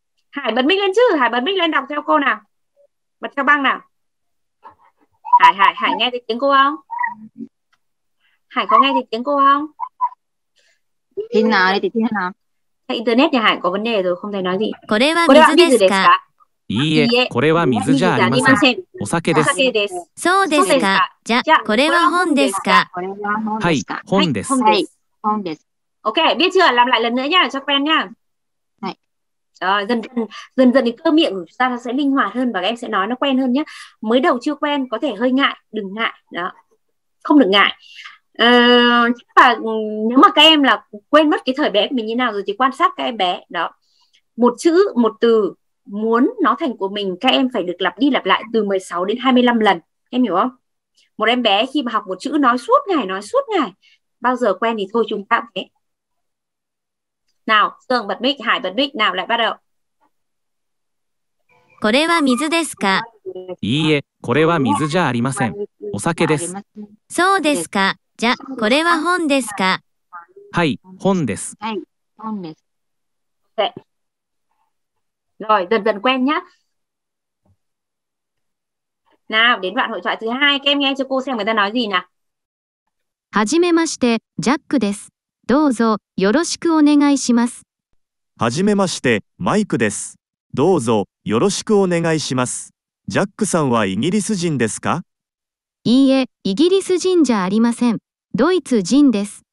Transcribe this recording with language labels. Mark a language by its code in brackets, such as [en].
[vi] Hải bật mic lên chứ, Hải bật mic lên đọc theo cô nào. Bật theo băng nào. Hải, Hải, Hải nghe thấy tiếng cô không? Hải có nghe thấy tiếng cô không? Thế nào đi, thế nào? Thế internet nhà Hải có vấn đề rồi, không thấy nói gì. [ja] これは水ですか？いいえ、これは水じゃありません。お酒です。そうですか。じゃ、これは本ですか？はい、本です。はい、本です。 [vi] OK、 [ja] ビーチは、 [vi] làm lại lần nữa nha、cho quen nha。 [ja] はい。 [vi] Rồi, dần dần thì cơ miệng của chúng ta sẽ linh hoạt hơn và các em sẽ nói nó quen hơn nhé. Mới đầu chưa quen, có thể hơi ngại, đừng ngại. Đó. Không được ngại. Chắc là nếu mà các em là quên mất cái thời bé của mình như nào rồi thì quan sát các em bé. Đó. Một chữ, một từ...muốn nó thành của mình, các em phải được lặp đi lặp lại từ 16 đến 25 lần. Em hiểu không? Một em bé khi mà học một chữ nói suốt ngày, bao giờ quen thì thôi chúng ta cũng thế. Nào, Tường bật mic, Hải bật mic, nào lại bắt đầu. [ja] これは水ですか? いいえ、これは水じゃありません。お酒です。そうですか。じゃ、これは本ですか? はい、本です。はい、本です。はい。 [vi] Rồi, dần dần quen nhá. Nào, đến đoạn hội thoại thứ hai, các em nghe cho cô xem người ta nói gì nào. [ja] はじめまして、ジャックです。どうぞ、よろしくお願いします。はじめまして、マイクです。どうぞ、よろしくお願いします。ジャックさんはイギリス人ですか? いいえ、イギリス人じゃありません。ドイツ人です。